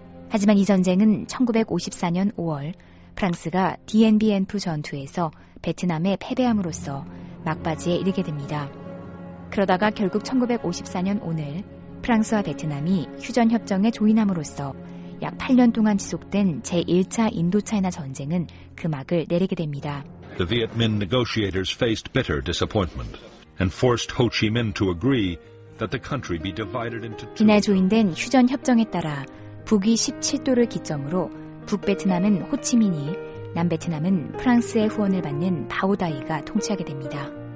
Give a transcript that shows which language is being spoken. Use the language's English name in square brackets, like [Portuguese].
[Korean] 하지만 이 전쟁은 1954년 5월 프랑스가 디엔비엔프 전투에서 베트남에 패배함으로써 막바지에 이르게 됩니다. 그러다가 결국 1954년 오늘 프랑스와 베트남이 휴전협정에 조인함으로써 약 8년 동안 지속된 제1차 인도차이나 전쟁은 그 막을 내리게 됩니다. [English] The Viet Minh negotiators faced bitter disappointment and forced Ho Chi Minh to agree that the country be divided into two. [Korean] 이날 조인된 휴전협정에 따라 북위 17도를 기점으로 북베트남은 호치민이, 남베트남은 프랑스의 후원을 받는 다오다이가 통치하게 됩니다.